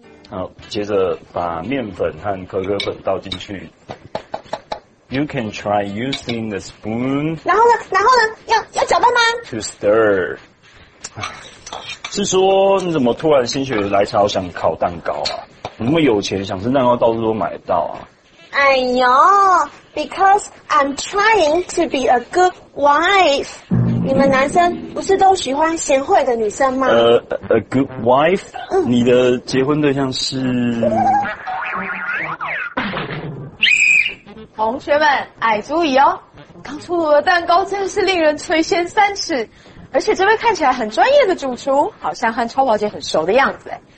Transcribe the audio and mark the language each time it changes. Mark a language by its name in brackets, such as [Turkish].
[Chinese] 好，接着把面粉和可可粉倒进去。 [English] You can try using the spoon. [Chinese] 然后呢？要搅拌吗 [English] ？To stir. [Chinese] 是说你怎么突然心血来潮想烤蛋糕啊？你那么有钱，想吃蛋糕到处都买得到啊？哎呦 [English] ，Because I'm trying to be a good wife. [Chinese] 你们男生不是都喜欢贤惠的女生吗？ [English] A good wife.、 [Chinese] 嗯、你的结婚对象是？同学们，矮猪椅哦，刚出炉的蛋糕真是令人垂涎三尺，而且这位看起来很专业的主厨，好像和超跑姐很熟的样子哎。